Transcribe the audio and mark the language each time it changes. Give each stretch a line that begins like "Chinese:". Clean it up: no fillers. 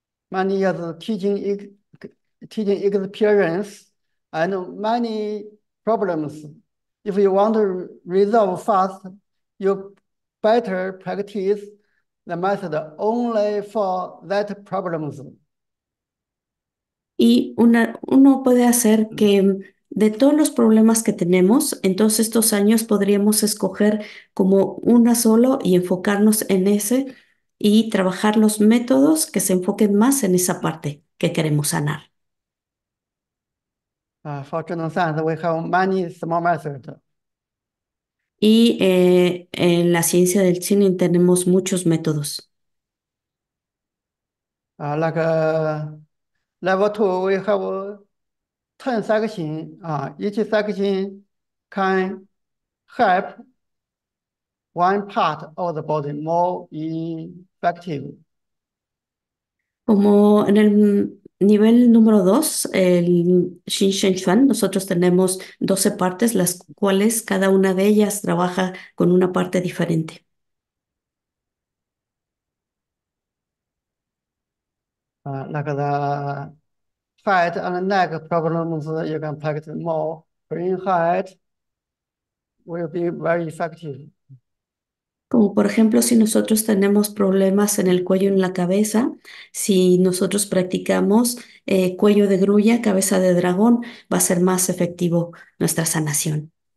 English: Many years of teaching experience and many problems. If you want to resolve fast, you better practice the method only for that problems.
Spanish: Y uno puede hacer que de todos los problemas que tenemos, en todos estos años podríamos escoger como una solo y enfocarnos en ese y trabajar los métodos que se enfoquen más en esa parte que queremos sanar.
English: For general science, we have many small methods.
Spanish: Y en la ciencia del cine tenemos muchos métodos.
English: Like level two, we have 10 sections. Each section can help one part of the body more effective.
Spanish: Como en el nivel número 2, el Xin Shen Chuan, nosotros tenemos 12 partes, las cuales cada una de ellas trabaja con una parte diferente.
English: Like the head and neck problems, you can practice more. Bring head will be very effective.
Spanish: Como por ejemplo, si nosotros tenemos problemas en el cuello y en la cabeza, si nosotros practicamos cuello de grulla, cabeza de dragón, va a ser más efectivo nuestra sanación.